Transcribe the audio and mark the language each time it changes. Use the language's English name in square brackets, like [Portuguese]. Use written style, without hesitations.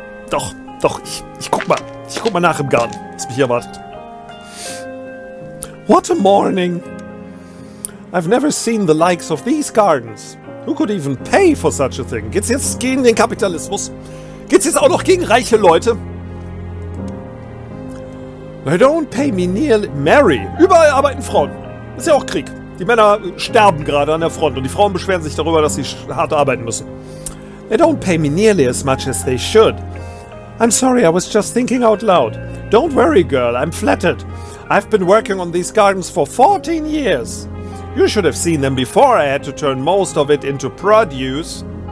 [German] Doch, ich guck mal nach im Garten, was mich hier erwartet. [English] What a morning. I've never seen the likes of these gardens. Who could even pay for such a thing? [German] Geht's jetzt gegen den Kapitalismus? Geht's jetzt auch noch gegen reiche Leute? [English] They don't pay me nearly... [German] Mary! Überall arbeiten Frauen. Ist ja auch Krieg. Die Männer sterben gerade an der Front und die Frauen beschweren sich darüber, dass sie hart arbeiten müssen. [English] They don't pay me nearly as much as they should. I'm sorry, I was just thinking out loud. Don't worry, girl, I'm flattered. I've been working on these gardens for 14 years. You should have seen them before I had to turn most of it into produce.